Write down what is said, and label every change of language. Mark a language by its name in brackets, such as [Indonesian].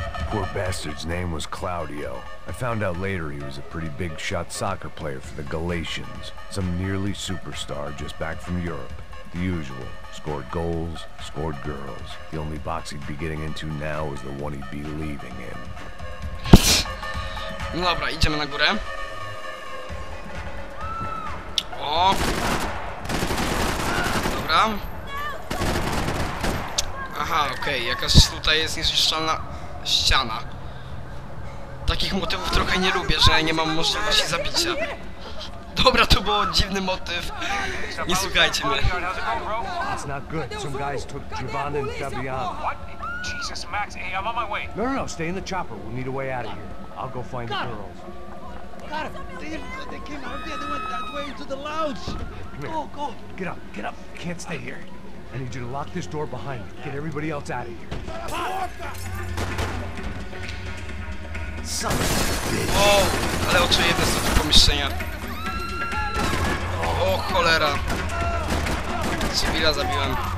[English] Poor bastard's name was Claudio. I found out later he was a pretty big shot soccer player for the Galatians. Some nearly superstar just back from Europe. The usual. Scored goals, scored girls. The only box he'd be getting into now is the one he'd be leaving in. [Polish] No dobra, idziemy na górę. O! Dobra. Aha, okej, jakaś tutaj jest niezniszczalna ściana. Takich motywów trochę nie lubię, że nie mam możliwości zabicia. Dobra, to było dziwny motyw. Nie słuchajcie mnie. [English] It's not good. Some guys took Giovanna and Fabiana. What? Jesus, Max. Hey, I'm on my way. No. Stay in the chopper. We'll need a way out of here. I'll go find the girls. Got it. They came out there. They went that way into the lounge. Come here. Go. Get up. You can't stay here. I need you to lock this door behind me. Get everybody else out of here. [Polish] O, ale oczy jedne są tu pomieszczenia. O cholera. Cywila zabiłem.